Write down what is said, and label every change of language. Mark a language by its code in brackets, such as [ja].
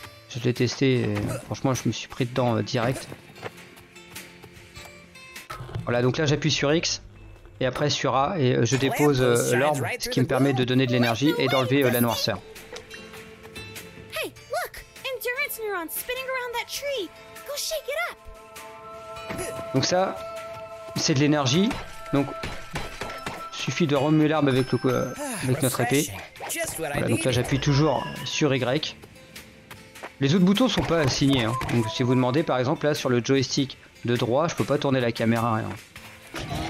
[fr] Je l'ai testé et franchement, je me suis pris dedans direct. Voilà, donc là, j'appuie sur X. et après Sura, et je dépose l'orbe, ce qui me permet de donner de l'énergie et d'enlever la noirceur. [en] Hey, look, endurance neurons spinning around that tree. Go shake it up. [fr] Donc ça, c'est de l'énergie. Donc suffit de remuer l'arbre avec le avec notre épée. Voilà, donc là j'appuie toujours sur Y. Les autres boutons sont pas assignés. Hein. Donc si vous demandez par exemple là sur le joystick de droit, je peux pas tourner la caméra. Hein. Voilà.